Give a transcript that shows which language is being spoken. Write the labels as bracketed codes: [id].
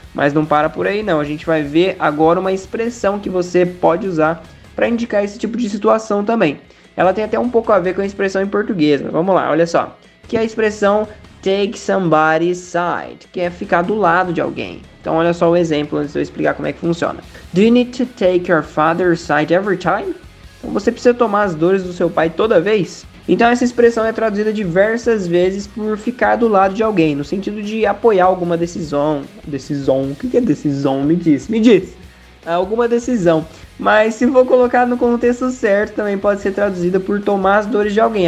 [pt] Mas não para por aí não, a gente vai ver agora uma expressão que você pode usar para indicar esse tipo de situação também. Ela tem até um pouco a ver com a expressão em português, mas vamos lá, olha só. Que é a expressão [en] take somebody's side, [pt] que é ficar do lado de alguém. Então olha só o exemplo antes de eu explicar como é que funciona. [en] Do you need to take your father's side every time? [pt] Então, você precisa tomar as dores do seu pai toda vez? Então essa expressão é traduzida diversas vezes por ficar do lado de alguém, no sentido de apoiar alguma decisão. Decisão? O que é decisão? Me diz. Me diz. Alguma decisão. Mas se for colocado no contexto certo, também pode ser traduzida por tomar as dores de alguém.